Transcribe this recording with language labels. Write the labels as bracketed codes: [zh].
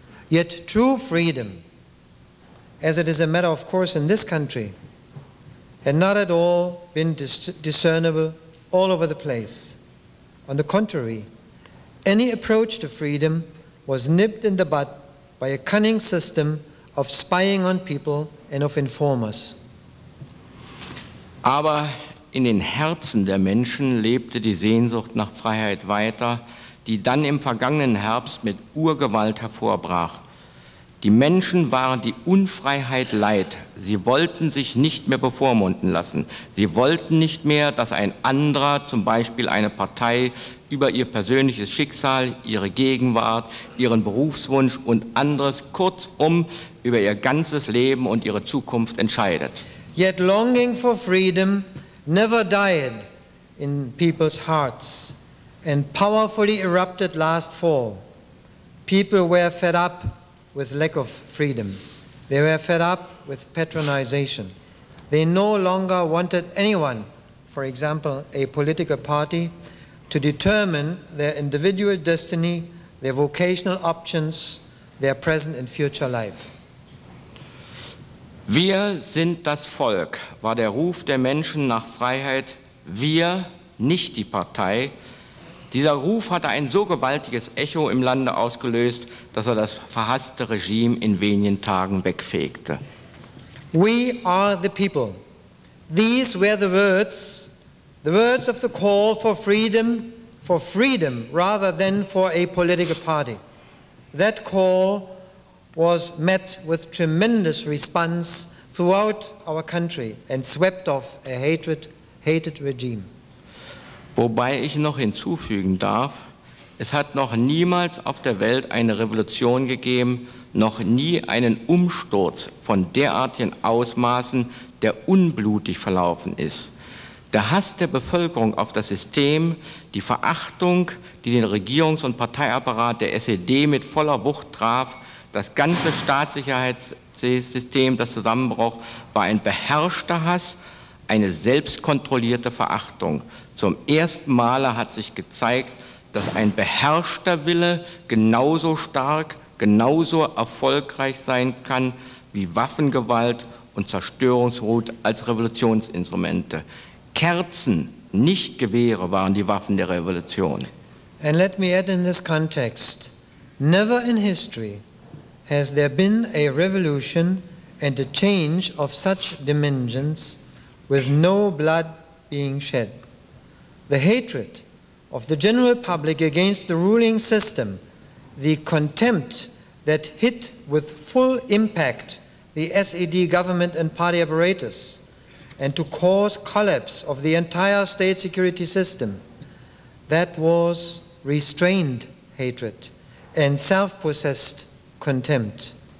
[en] Yet true freedom, as it is a matter of course in this country, had not at all been discernible all over the place. On the contrary, any approach to freedom was nipped in the bud by a cunning system of spying on people and of informers. [de] Aber in den Herzen der Menschen lebte die Sehnsucht nach Freiheit weiter, die dann im vergangenen Herbst mit Urgewalt hervorbrach. Die Menschen waren die Unfreiheit leid. Sie wollten sich nicht mehr bevormunden lassen. Sie wollten nicht mehr, dass ein anderer, zum Beispiel eine Partei, über ihr persönliches Schicksal, ihre Gegenwart, ihren Berufswunsch und anderes, kurzum, über ihr ganzes Leben und ihre Zukunft entscheidet. [en] Yet longing for freedom never died in people's hearts and powerfully erupted last fall. People were fed up with lack of freedom. They were fed up with patronization. They no longer wanted anyone, for example, a political party, to determine their individual destiny, their vocational options, their present and future life. [de] Wir sind das Volk, war der Ruf der Menschen nach Freiheit. Wir, nicht die Partei. Dieser Ruf hatte ein so gewaltiges Echo im Lande ausgelöst, dass er das verhasste Regime in wenigen Tagen wegfegte. [en] We are the people. These were the words of the call for freedom rather than for a political party. That call was met with tremendous response throughout our country and swept off a hated regime. [de] Wobei ich noch hinzufügen darf, es hat noch niemals auf der Welt eine Revolution gegeben, noch nie einen Umsturz von derartigen Ausmaßen, der unblutig verlaufen ist. Der Hass der Bevölkerung auf das System, die Verachtung, die den Regierungs- und Parteiapparat der SED mit voller Wucht traf, das ganze Staatssicherheitssystem, das zusammenbrach, war ein beherrschter Hass, eine selbstkontrollierte Verachtung. Zum ersten Male hat sich gezeigt, dass ein beherrschter Wille genauso stark, genauso erfolgreich sein kann wie Waffengewalt und Zerstörungswut als Revolutionsinstrumente. Kerzen, nicht Gewehre, waren die Waffen der Revolution. [en] And let me add in this context, never in history has there been a revolution and a change of such dimensions with no blood being shed. The hatred of the general public against the ruling system, the contempt that hit with full impact the SED government and party apparatus, and to cause collapse of the entire state security system, that was restrained hatred and self-possessed contempt.